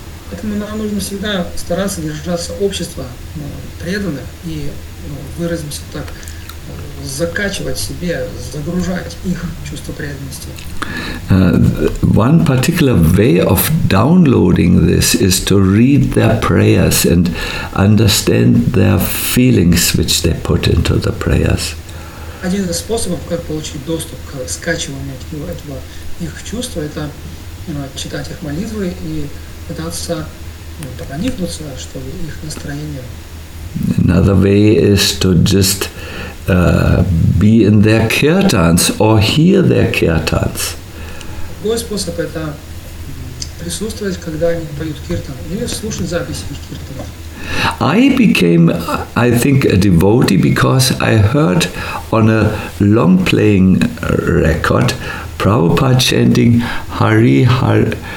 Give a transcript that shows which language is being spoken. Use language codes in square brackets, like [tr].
[ru] Поэтому нам нужно всегда стараться держаться общества преданных и выразимся так, закачивать себе, загружать их чувство преданности. [en] One particular way of downloading this is to read their prayers and understand their feelings, which they put into the prayers. [ru] Один из способов, как получить доступ к скачиванию этого их чувства, это читать их молитвы и пытаться проникнуться, чтобы их настроение. [en] Another way is to just be in their kirtans or hear their kirtans. [ru] Другой способ – это присутствовать, когда они поют киртан, или слушать записи их киртана. [en] I became, I think, a devotee because I heard on a long playing record Prabhupada chanting Hari Hari.